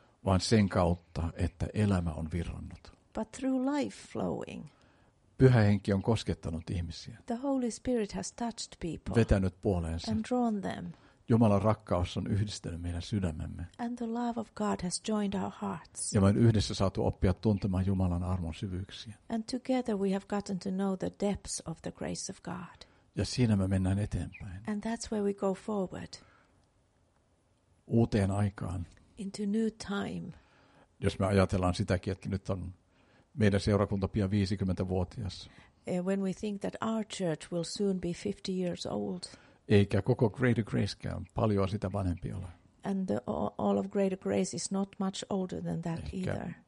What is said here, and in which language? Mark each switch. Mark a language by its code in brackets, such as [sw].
[fi] Vaan sen kautta, että elämä on virrannut. [en] But through life flowing. [fi] Pyhä Henki on koskettanut ihmisiä. [en] The Holy Spirit has touched people. [fi] Vetänyt puoleensa. [en] And drawn them. [fi] Jumalan rakkaus on yhdistänyt meidän sydämemme. [en] And the love of God has joined our hearts. [fi] Ja me on yhdessä saatu oppia tuntemaan Jumalan armon syvyyksiä. [en] And together we have gotten to know the depths of the grace of God. [fi] Ja siinä me mennään eteenpäin. [en] And that's where we go forward. [fi] Uuteen aikaan. [en] Into new time. [fi] Jos me ajatellaan sitäkin, että nyt on meidän seurakunta pian 50-vuotias. [en] When we think that our church will soon be 50 years old. [fi] Eikä koko Greater Gracekään paljon sitä vanhempi ole. [en] And all of Greater Grace is not much older than that either.